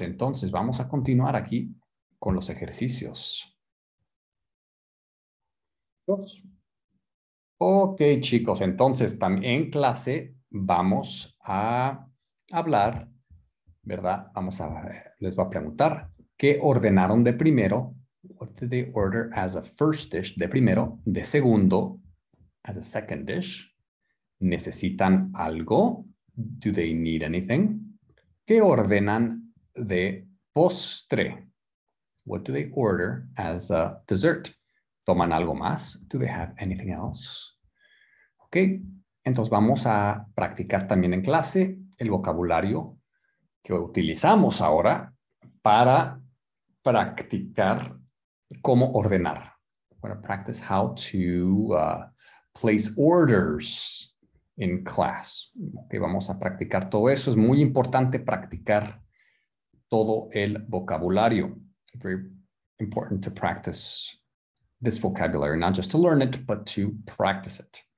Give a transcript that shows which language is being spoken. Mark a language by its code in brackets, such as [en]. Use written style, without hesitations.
[es] Entonces, vamos a continuar aquí con los ejercicios. Ok, chicos. Entonces, en clase vamos a hablar, ¿verdad? Vamos a, les voy a preguntar, ¿qué ordenaron de primero? [en] What did they order as a first dish? [es] De primero, de segundo, [en] as a second dish. [es] ¿Necesitan algo? [en] Do they need anything? [es] ¿Qué ordenan de postre? [en] What do they order as a dessert? [es] ¿Toman algo más? [en] Do they have anything else? [es] Ok, entonces vamos a practicar también en clase el vocabulario que utilizamos ahora para practicar cómo ordenar. [en] We're going to practice how to place orders in class. [es] Okay, vamos a practicar todo eso. Es muy importante practicar todo el vocabulario. [en] Very important to practice this vocabulary, not just to learn it, but to practice it.